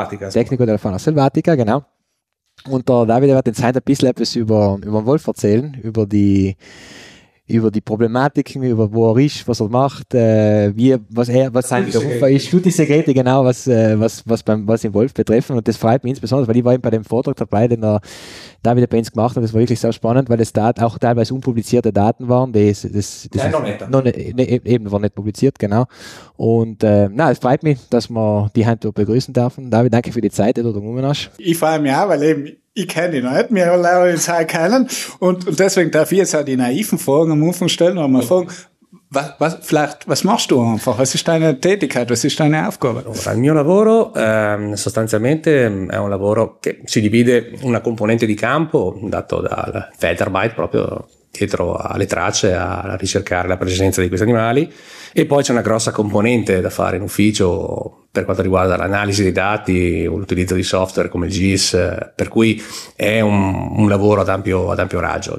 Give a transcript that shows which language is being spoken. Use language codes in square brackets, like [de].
[it] Tecnico della fauna selvatica, [de] genau. Und der Davide wird jetzt heute ein bisschen etwas über den Wolf erzählen, über die Problematiken, über wo er ist, was er macht, was sein Beruf ist, Studiensegrete, genau, was den Wolf betreffen. Und das freut mich insbesondere, weil ich war eben bei dem Vortrag dabei, den der David bei uns gemacht hat. Das war wirklich sehr spannend, weil es da auch teilweise unpublizierte Daten waren. War nicht publiziert, genau. Und es freut mich, dass wir die Hand begrüßen dürfen. David, danke für die Zeit, die du da genommen hast. Ich freue mich auch, weil eben ich kenne ihn nicht, wir lernen ihn halt kennen. Und deswegen darf ich jetzt auch die naiven Fragen am Anfang stellen und mal fragen, was machst du einfach? Was ist deine Tätigkeit? Was ist deine Aufgabe? [it] Allora, il mio lavoro sostanzialmente è un lavoro che si divide una componente di campo dato dal Feldarbeit, proprio dietro alle tracce, a ricercare la presenza di questi animali. E poi c'è una grossa componente da fare in ufficio per quanto riguarda l'analisi dei dati, l'utilizzo di software come il GIS, per cui è un lavoro ad ampio raggio.